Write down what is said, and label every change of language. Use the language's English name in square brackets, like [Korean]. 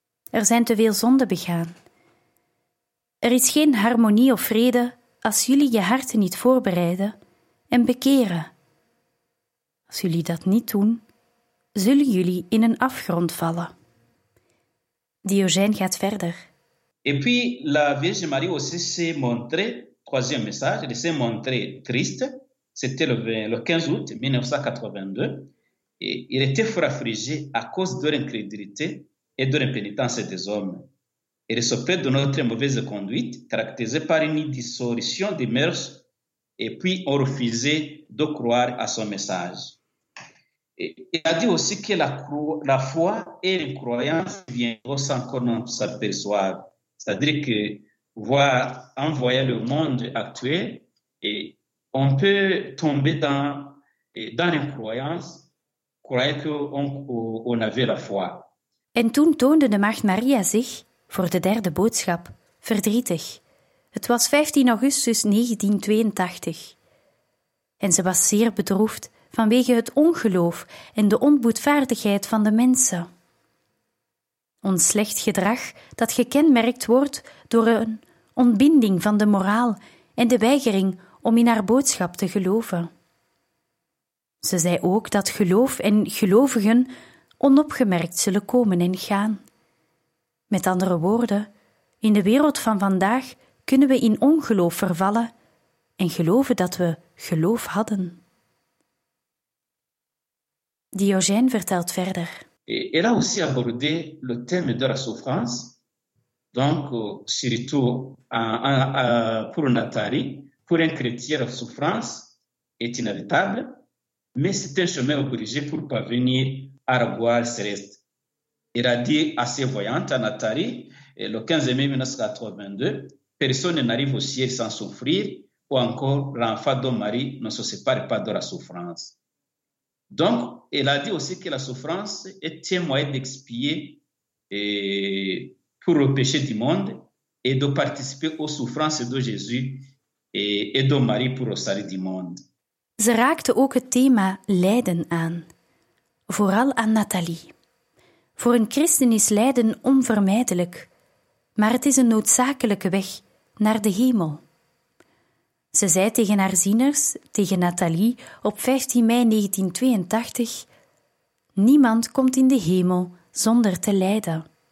[Dutch] Er zijn te veel zonden begaan. Er is geen harmonie of vrede als jullie je harten niet voorbereiden en bekeren. Als jullie dat niet doen, zullen jullie in een afgrond vallen. Diogène gaat verder. [French] Et puis la Vierge Marie aussi s'est montrée, troisième message, elle s'est montrée triste. C'était le 15 août 1982. Et il était fort affligé à cause de l'incrédulité et de l'impénitence des hommes. Et le secret de notre mauvaise conduite, caractérisée par une dissolution des mœurs, et puis on refusait de croire à son message. Il a dit aussi que la foi et l'incroyance viendront sans qu'on en s'aperçoive. C'est-à-dire que en voyant le monde actuel, et on peut tomber dans l'incroyance, croyant qu'on avait la foi. [Dutch] En toen toonde de Maagd Maria zich, voor de derde boodschap, verdrietig. Het was 15 augustus 1982. En ze was zeer bedroefd vanwege het ongeloof en de onboetvaardigheid van de mensen. Ons slecht gedrag dat gekenmerkt wordt door een ontbinding van de moraal en de weigering om in haar boodschap te geloven. Ze zei ook dat geloof en gelovigen onopgemerkt zullen komen en gaan. Met andere woorden, in de wereld van vandaag kunnen we in ongeloof vervallen en geloven dat we geloof hadden. Diogène vertelt verder. [French] Elle a aussi abordé le thème de la souffrance, donc surtout pour Nathalie, pour un chrétien, la souffrance est inévitable, mais c'est un chemin obligé pour parvenir à la gloire céleste. Il a dit à ses voyantes, à Nathalie, le 15 mai 1982, personne n'arrive au ciel sans souffrir, ou encore l'enfant de Marie ne se sépare pas de la souffrance. Donc, elle a dit aussi que la souffrance est un moyen d'expier pour le péché du monde et de participer aux souffrances de Jésus et de Marie pour le salut du monde. [Dutch] Ze raakte ook het thema lijden aan, vooral aan Nathalie. Voor een christen is lijden onvermijdelijk, maar het is een noodzakelijke weg naar de hemel. Ze zei tegen haar zieners, tegen Nathalie, op 15 mei 1982, niemand komt in de hemel zonder te lijden.